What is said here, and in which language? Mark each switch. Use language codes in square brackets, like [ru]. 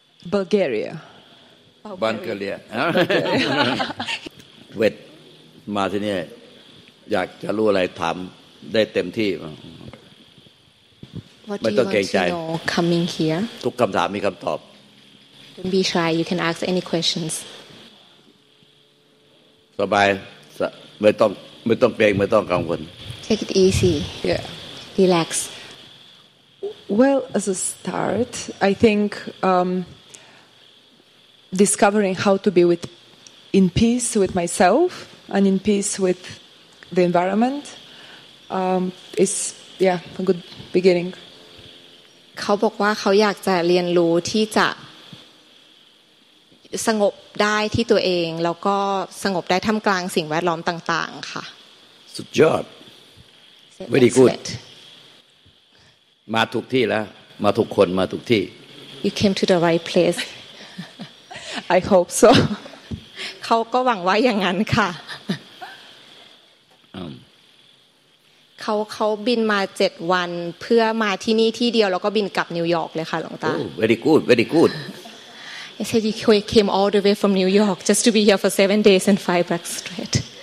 [th] เ บลเกเรีย บันเกเรียเวทมาที่นี่อยากจะรู้อะไรถามได้เต็มที่ไม่ต้องเกรงใจ [en] coming here [th] ทุกคำถามมีคำตอบ [en] don't be shy you can ask any questions [th] สบายไม่ต้องเกรงไม่ต้องกังวล [en] take it easy yeah relax well as a start I think discovering how to be with in peace with myself and in peace with the environment is yeah a good beginning [th] เขาบอกว่าเขาอยากจะเรียนรู้ที่จะสงบได้ที่ตัวเองแล้วก็สงบได้ท่ามกลางสิ่งแวดล้อมต่างๆค่ะ สุดยอด [en] very good [th] มาถูกที่แล้วมาถูกคนมาถูกที่ [en] you came to the right place I hope so. [th] เขาก็หวังว่าอย่างนั้นค่ะเขาบินมา7วันเพื่อมาที่นี่ที่เดียวแล้วก็บินกลับนิวยอร์กเลยค่ะหลวงตา [en] Very good, very good. I said you came all the way from New York just to be here for 7 days and fly back straight.